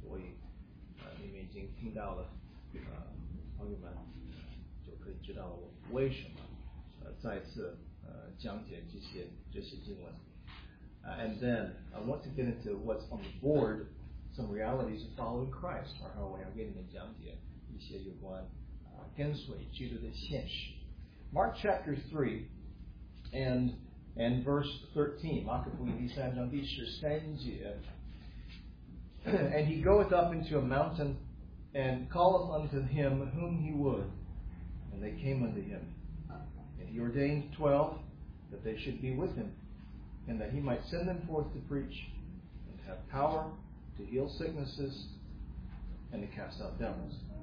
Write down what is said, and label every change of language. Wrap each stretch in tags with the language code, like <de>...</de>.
<zh>我们在这里大部分人没有听见最近讲的讲到，所以你们已经听到了。朋友们就可以知道我为什么再次讲解这些经文。</zh> <en>And then I want to get into what's on the board, some realities of following Christ,</en> <zh>然后我要给你们讲解一些有关跟随基督的现实。</zh> <en>Mark chapter 3 and verse 13,</en> <zh>马可福音第三章第十三节。</zh> <en>And he goeth up into a mountain, and calleth unto him whom he would, and they came unto him. And he ordained 12 that they should be with him, and that he might send them forth to preach, and have power to heal sicknesses, and to cast out devils.</en>